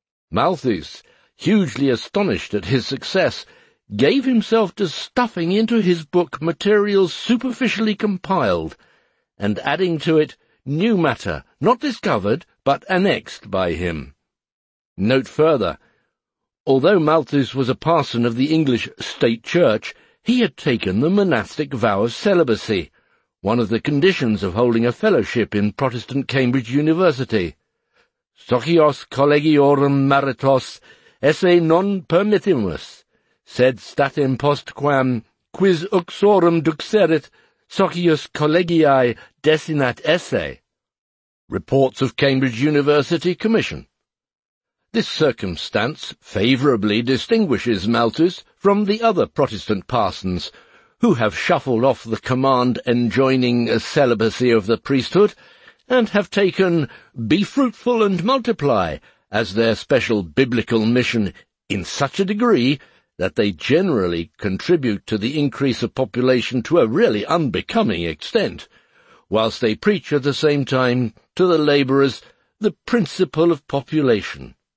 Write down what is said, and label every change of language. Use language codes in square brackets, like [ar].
[en] Malthus, hugely astonished at his success, gave himself to stuffing into his book materials superficially compiled, and adding to it new matter, not discovered, but annexed by him. Note further, although Malthus was a parson of the English state church, he had taken the monastic vow of celibacy, one of the conditions of holding a fellowship in Protestant Cambridge University. [la] Socios collegiorum maritos esse non permittimus, sed statim postquam quis uxorum duxerit socius collegiae desinat esse. [en] Reports of Cambridge University Commission. This circumstance favourably distinguishes Malthus from the other Protestant parsons, who have shuffled off the command enjoining a celibacy of the priesthood, and have taken "be fruitful and multiply" as their special biblical mission in such a degree that they generally contribute to the increase of population to a really unbecoming extent, whilst they preach at the same time to the labourers the principle of population.